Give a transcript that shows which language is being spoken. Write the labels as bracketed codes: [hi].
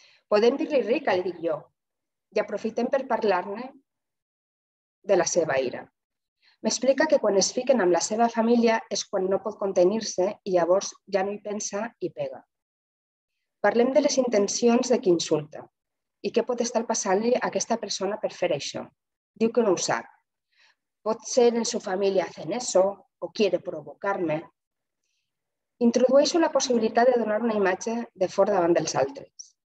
[ca] Podem dir-li rica, li dic jo, i aprofitem per parlar-ne de la seva ira. M'explica que quan es fiquen amb la seva família és quan no pot contenir-se i llavors ja no hi pensa i pega. Parlem de les intencions de qui insulta i què pot estar passant-li a aquesta persona per fer això. Diu que no ho sap. Pot ser [es] en su familia hacen eso o quiere provocarme. [ca] Introdueixo la possibilitat de donar una imatge de fora davant dels altres.